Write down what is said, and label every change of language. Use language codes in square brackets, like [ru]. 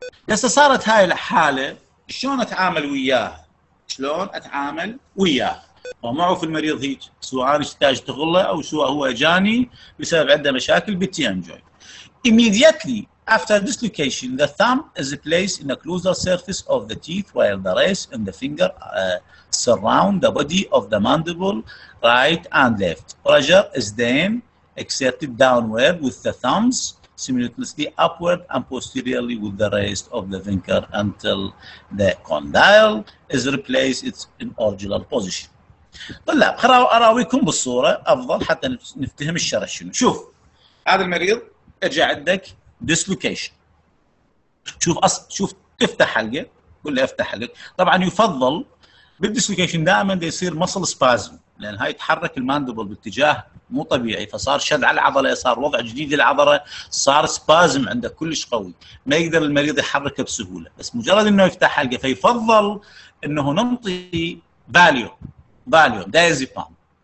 [ar] هسه صارت هاي الحاله، شلون اتعامل وياها؟ شلون اتعامل وياها؟ ومعه في المريض هيك، سواء انا احتاج تغله او سواء هو جاني بسبب عنده مشاكل بالتي ام جوينت. [en] Immediately after dislocation, the thumb is placed in the occlusal surface of the teeth while the rest and the finger surround the body of the mandible, right and left. Pressure is then exerted downward with the thumbs, simultaneously upward and posteriorly with the rest of the finger until the condyle is replaced in original position. [ar] طلاب اراويكم بالصوره افضل حتى نفتهم الشرح شنو. شوف هذا المريض ارجع عندك ديسلوكيشن، شوف شوف افتح حلقه، قول له افتح حلقه. طبعا يفضل بالديسلوكيشن دائما يصير مصل سبازم، لان هاي تحرك الماندبل باتجاه مو طبيعي، فصار شد على العضله، صار وضع جديد للعضله، صار سبازم عندك كلش قوي، ما يقدر المريض يحركه بسهوله، بس مجرد انه يفتح حلقه فيفضل انه نعطي فاليوم دايزيبام.